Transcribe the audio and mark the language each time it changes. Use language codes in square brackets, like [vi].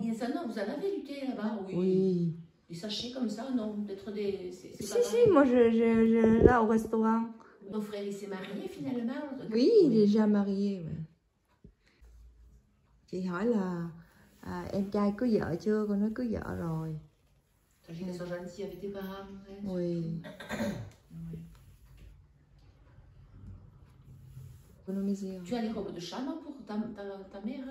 [fr] Il y a ça, non, vous en avez du thé là-bas, oui. Oui. Des sachets comme ça, non, peut-être des... C'est si, pas si, pareil. Moi, je là au restaurant. Mon frère, il s'est marié, finalement. Oui, il est déjà marié, oui. J'ai [vi] hỏi là, em trai có vợ chưa? Con nói có vợ rồi. [fr] T'as dit qu'ils sont gentils avec tes parents, en fait. Oui. Oui. Oui. Oui. Tu as les robes de chambre pour ta mère?